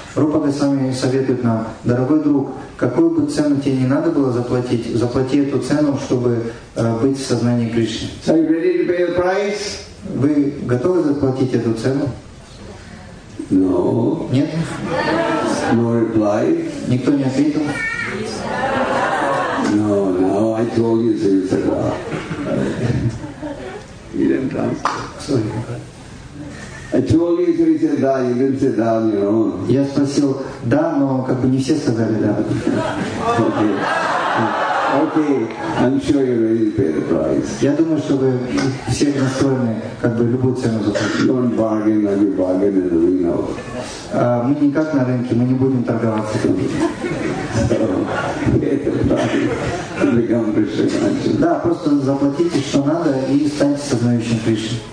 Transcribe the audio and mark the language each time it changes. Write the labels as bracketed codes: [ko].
[ru] Rupa Goswami советует нам, дорогой друг, какую бы цену тебе не надо было заплатить, заплати эту цену, чтобы быть в сознании Кришны. [en] So are you ready to pay the price? [ru] Вы готовы заплатить эту цену? [en] No. [ru] Нет? [en] No reply. [ru] Никто не ответил. [en] No, no, I told you so. He didn't answer. I told you so. He said, "Да." You didn't say "Да" on your own. [ru] Я спросил "Да", но как бы не все сказали "Да". [en] Okay. Okay, I'm sure you ready to pay the price. [ru] Я думаю, что вы все настроены как бы любую цену заплатить. [en] Don't bargain, I'll be bargaining, we know. [ru] Мы никак на рынке, мы не будем торговаться. [en] So, pay the price, become Krishna conscious. [ru] Да, просто заплатите, что надо, и станьте сознающим Кришной.